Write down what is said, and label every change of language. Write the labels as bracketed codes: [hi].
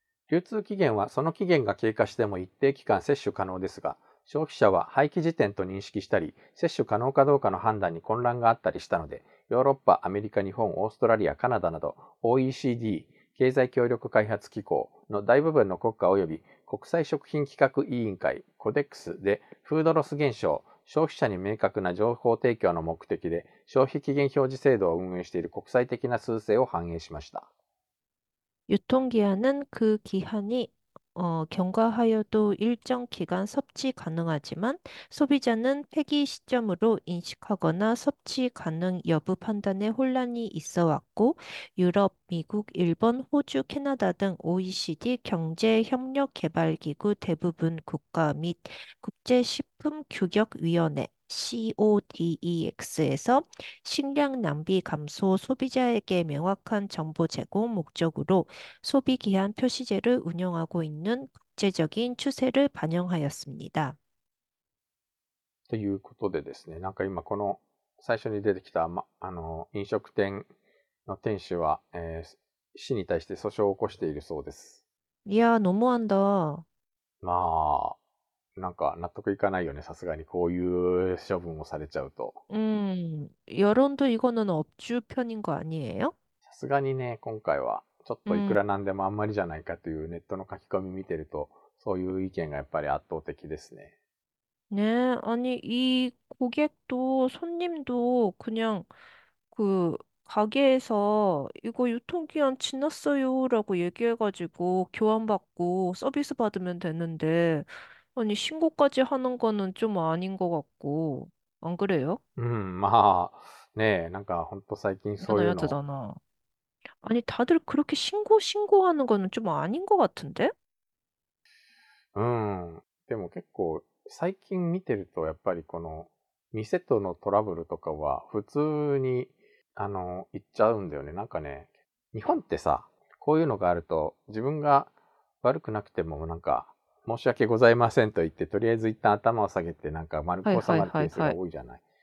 [ja] 流通期限はその期限が経過しても一定期間接種可能ですが、消費者は廃棄時点と認識したり、接種可能かどうかの判断に混乱があったりしたので、ヨーロッパ、アメリカ、日本、オーストラリア、カナダなど OECD 経済協力開発機構の大部分の国家および国際食品規格委員会コデックスで、フードロス現象、消費者に明確な情報提供の目的で消費期限表示制度を運営している国際的な趨勢を反映しました。 [ko] 유통기한은 그 기한이 경과하여도 일정 기간 섭취 가능하지만 소비자는 폐기 시점으로 인식하거나 섭취 가능 여부 판단에 혼란이 있어 왔고 유럽, 미국, 일본, 호주, 캐나다 등 OECD 경제협력개발기구 대부분 국가 및 국제식품규격위원회 CODEX에서 식량 낭비 감소 소비자에게 명확한 정보 제공 목적으로 소비 기한 표시제를 운영하고 있는 국제적인 추세를 반영하였습니다. [ja] ということでですね、今この最初に出てきた、飲食店の店主は、市に対して訴訟を起こしているそうです。 [ko] いやー、너무한다. [ja] 納得いかないよね、さすがに。こういう処分をされちゃうと。 [ko] 여론도 이거는 업주 편인 거 아니에요? [ja] さすがにね、今回は。ちょっといくらなんでもあんまりじゃないかというネットの書き込み見てると、うん、そういう意見がやっぱり圧倒的ですね。 [ko] ね、あに、이고객도손님도그냥그가게에서이거유통기한지났어요라고얘기해가지고교환받고서비스받으면되는데아니신고까지하는거는좀아닌것같고안그래요? [ja] まあねえなんか本当最近そういうの。だな。 [ko] 아니다들그렇게신고하는거는좀아닌것같은데? [ja] でも結構最近見てるとやっぱりこの店とのトラブルとかは普通に行っちゃうんだよね。なんかね、日本ってさ、こういうのがあると自分が悪くなくてもなんか申し訳ございませんと言ってとりあえず一旦頭を下げてなんか丸く収まるケースが多いじゃない。